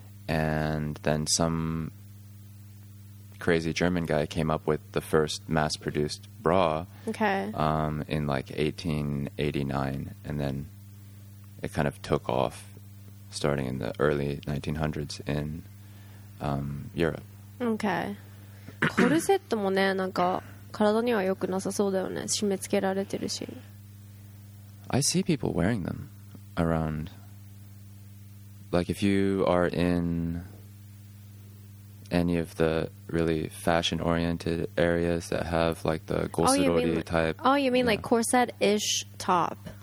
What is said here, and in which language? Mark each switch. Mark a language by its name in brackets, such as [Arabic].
[English] And then some crazy German guy came up with the first mass-produced bra. Okay. In like 1889, and then it kind of took off starting in the early 1900s in Europe. Okay. [Japanese] コルセットもね、なんか体には良くなさそうだよね。締め付けられてるし。 [English] I see people wearing them around, like if you are in any of the really fashion oriented areas that have like the corset type. Oh, you mean like corset ish top?